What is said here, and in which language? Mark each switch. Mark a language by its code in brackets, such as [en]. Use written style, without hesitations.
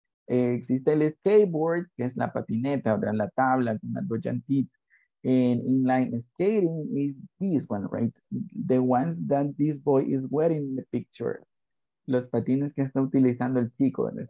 [es] Existe el skateboard, que es la patineta, o sea, la tabla con las dos llantitas. [en] And in light skating is this one, right? The ones that this boy is wearing in the picture. [es] Los patines que está utilizando el chico, ¿verdad?